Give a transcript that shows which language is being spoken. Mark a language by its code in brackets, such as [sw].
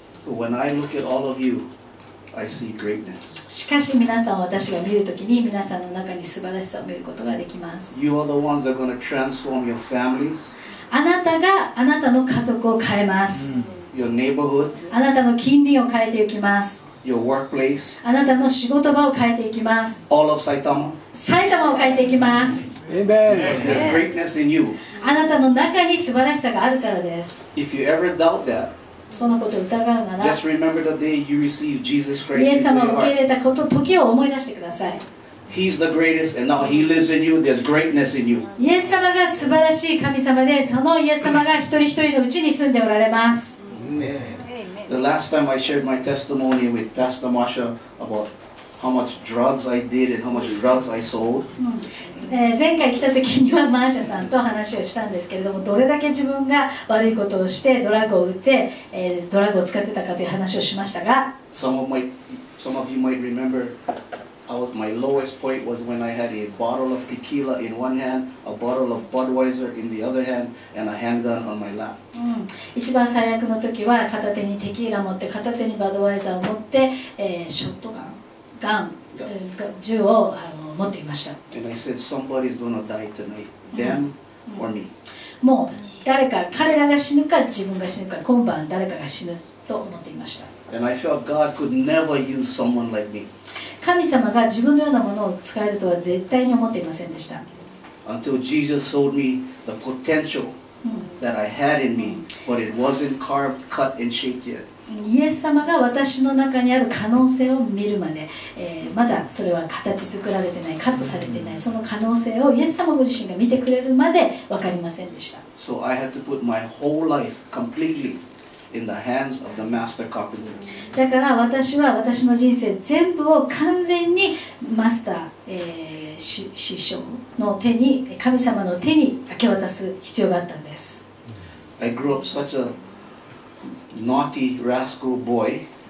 [en] But when I look at all of you, I see greatness. [ja] しかし皆さんを私が見るときに、皆さんの中に素晴らしさを見ることができます。 [en] You are the ones that are going to transform your families. [ja] あなたがあなたの家族を変えます、 [en] Your neighborhood. [ja] あなたの近隣を変えていきます。 [en] Your workplace. [ja] あなたの仕事場を変えていきます。 [en] All of Saitama. [ja] 埼玉を変えていきます。 [en] Amen. There's greatness in you. [ja] あなたの中に素晴らしさがあるからです。 [en] If you ever doubt that, [ja] そのことを疑うなら、 [en] Just remember the day you received Jesus Christ into your heart. [ja] イエス様を受け入れたこと、時を思い出してください。 [en] He's the greatest, and now He lives in you. There's greatness in you. [ja] イエス様が素晴らしい神様で、そのイエス様が一人一人のうちに住んでおられます。 [en] The last time I shared my testimony with Pastor Marsha about how much drugs I did and how much drugs I sold. [ja] 前回来た時にはマーシャさんと話をしたんですけれども、どれだけ自分が悪いことをしてドラッグを売って、ドラッグを使ってたかという話をしましたが、 [en] some of you might remember my lowest point was when I had a bottle of tequila in one hand, a bottle of Budweiser in the other hand, and a handgun on my lap. [ja] 一番最悪の時は片手にテキーラ持って片手にバドワイザーを持って、ショットガン、銃を持っていました。 [en] And I said, somebody's gonna die tonight, them or me. [ja] もう誰か、彼らが死ぬか自分が死ぬか、今晩誰かが死ぬと思っていました。 [en] And I felt God could never use someone like me. [ja] 神様が自分のようなものを使えるとは絶対に思っていませんでした。 [en] Until Jesus showed me the potential that I had in me, but it wasn't carved, cut, and shaped yet. [ja] イエス様が私の中にある可能性を見るまで、まだそれは形作られてない、カットされてない、その可能性をイエス様ご自身が見てくれるまで分かりませんでした。 [en] So I had to put my whole life completely in the hands of the master carpenter. [ja] だから私は私の人生全部を完全にマスター、師匠の手に、神様の手に明け渡す必要があったんです。 [en] I grew up such a naughty rascal boy.